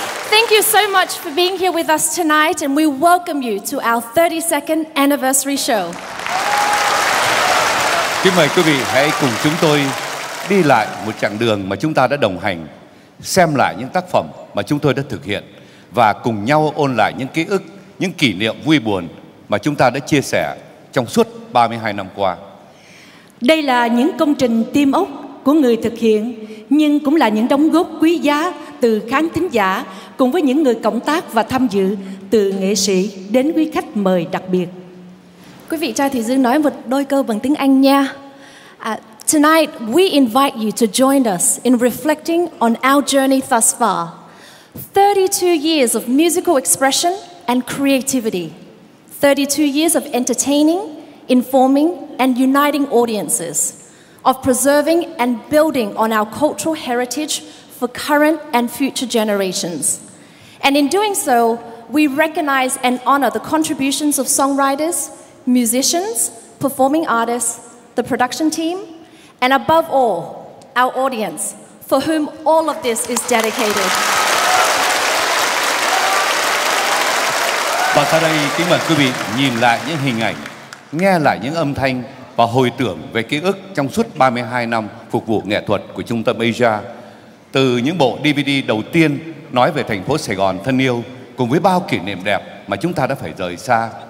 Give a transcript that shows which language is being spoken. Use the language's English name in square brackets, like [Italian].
[English] Thank you so much for being here with us tonight and we welcome you to our 32nd anniversary show. [Vietnamese] Kính mời quý vị hãy cùng chúng tôi đi lại một chặng đường mà chúng ta đã đồng hành, xem lại những tác phẩm mà chúng tôi đã thực hiện và cùng nhau ôn lại những ký ức, những kỷ niệm vui buồn mà chúng ta đã chia sẻ trong suốt 32 năm qua. Đây là những công trình tim ốc của người thực hiện, nhưng cũng là những đóng góp quý giá từ khán thính giả cùng với những người cộng tác và tham dự, từ nghệ sĩ đến quý khách mời đặc biệt. Quý vị cho Thùy Dương nói một đôi câu bằng tiếng Anh nha. [English] Tonight, we invite you to join us in reflecting on our journey thus far. 32 years of musical expression and creativity. 32 years of entertaining, informing and uniting audiences. Of preserving and building on our cultural heritage for current and future generations. And in doing so, we recognize and honor the contributions of songwriters, musicians, performing artists, the production team, and above all, our audience, for whom all of this is dedicated. [Vietnamese] Và sau đây, kính mời quý vị nhìn lại những hình ảnh, nghe lại những âm thanh và hồi tưởng về ký ức trong suốt 32 năm phục vụ nghệ thuật của Trung tâm Asia. Từ những bộ DVD đầu tiên nói về thành phố Sài Gòn thân yêu, cùng với bao kỷ niệm đẹp mà chúng ta đã phải rời xa.